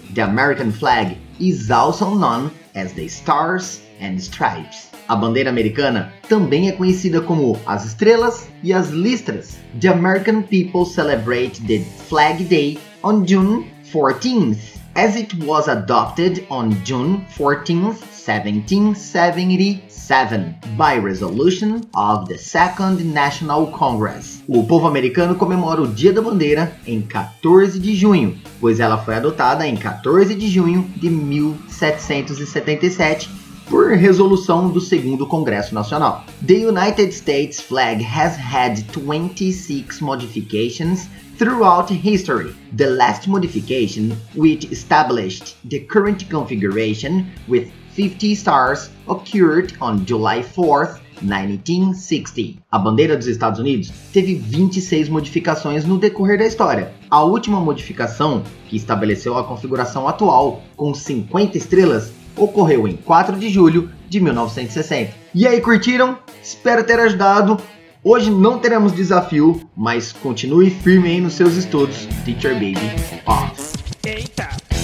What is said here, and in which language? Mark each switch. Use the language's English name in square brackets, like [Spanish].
[English] The American flag is also known as the stars and stripes. [Portuguese] A bandeira americana também é conhecida como as estrelas e as listras. [English] The American people celebrate the Flag Day on June 14th, as it was adopted on June 14th, 1777, by resolution of the Second National Congress. [Portuguese] O povo americano comemora o Dia da Bandeira em 14 de junho, pois ela foi adotada em 14 de junho de 1777, por resolução do Segundo Congresso Nacional. [English] The United States flag has had 26 modifications throughout history. The last modification, which established the current configuration with 50 stars, occurred on July 4th, 1960. [Portuguese] A bandeira dos Estados Unidos teve 26 modificações no decorrer da história. A última modificação, que estabeleceu a configuração atual, com 50 estrelas, ocorreu em 4 de julho de 1960. E aí, curtiram? Espero ter ajudado. Hoje não teremos desafio, mas continue firme aí nos seus estudos. Teacher Baby, off. Eita!